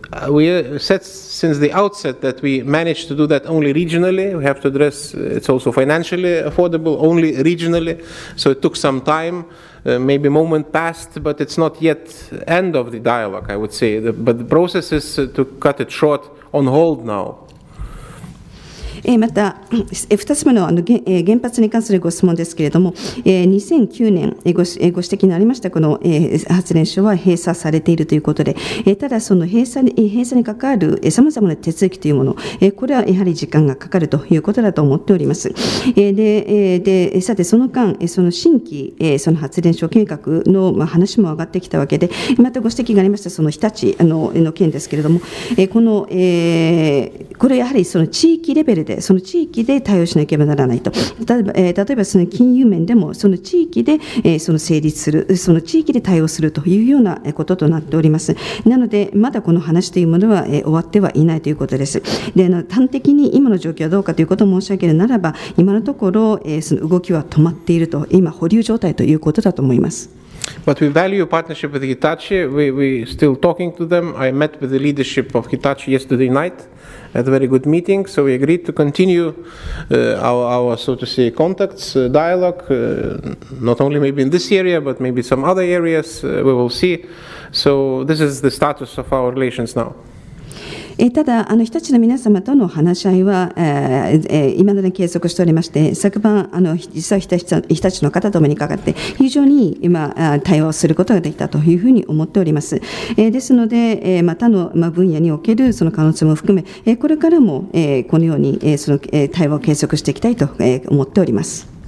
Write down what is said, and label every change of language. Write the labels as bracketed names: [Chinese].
[English] We said since the outset that we managed to do that only regionally. We have to address it's also financially affordable only regionally. So it took some time. Maybe a moment passed, but it's not yet end of the dialogue, I would say. But the process is to cut it short on hold now. [Japanese] また2つ目の原発に関するご質問ですけれども2009年ご指摘のありましたこの発電所は閉鎖されているということでただその閉鎖に関わるさまざまな手続きというものこれはやはり時間がかかるということだと思っております。でさてその間その新規その発電所計画の話も上がってきたわけでまたご指摘がありましたその日立の件ですけれどもこのこれはやはりその地域レベルでその地域で対応しなければならないと例えばその金融面でもその地域でその成立するその地域で対応するというようなこととなっております。なのでまだこの話というものは終わってはいないということです。で端的に今の状況はどうかということを申し上げるならば今のところその動きは止まっていると今保留状態ということだと思います。 [English] But we value partnership with Hitachi. We still talking to them. I met with the leadership of Hitachi yesterday night at a very good meeting. So we agreed to continue our so to say contacts, dialogue, not only maybe in this area, but maybe some other areas. We will see. So this is the status of our relations now. [Japanese] ただ日立の皆様との話し合いは今まで継続しておりまして昨晩実は日立の方と目にかかって非常に今対応することができたというふうに思っております。ですので他の分野におけるその可能性も含めこれからもこのようにその対話を継続していきたいと思っております。